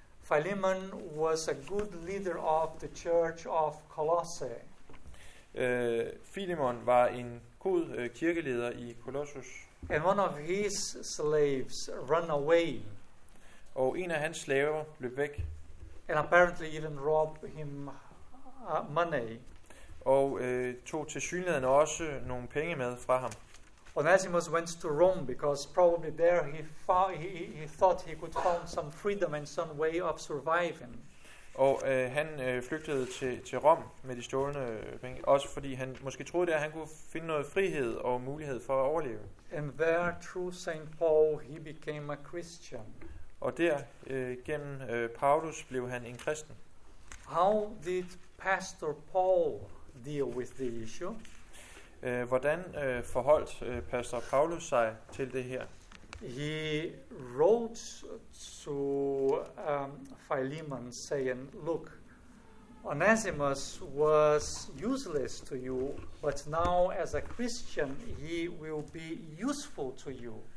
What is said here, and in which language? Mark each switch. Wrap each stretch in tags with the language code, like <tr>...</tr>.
<en>Philemon was a good leader of the church of Colossae.</en> <da>Philemon var en god kirkeleder i Colossus.</da> <en>And one of his slaves ran away.</en> <da>Og en af hans slaver løb væk.</da> <en>And apparently even robbed him money.</en> <da>Og tog til synligheden også nogle penge med fra ham.</da> <en>Onesimus went to Rome because probably there he thought he could find some freedom and some way of surviving.</en> <da>Og han flygtede til Rom med de stjålne penge, også fordi han måske troede der han kunne finde noget frihed og mulighed for at overleve.</da> <en>And there through Saint Paul he became a Christian.</en> <da>Og der gennem Paulus blev han en kristen.</da> <en>How did Pastor Paul deal with the issue?</en> <da>Hvordan forholdt Pastor Paulus sig til det her?</da> <en>He wrote to Philemon saying, look, Onesimus was useless to you, but now as a Christian he will be useful to you.</en>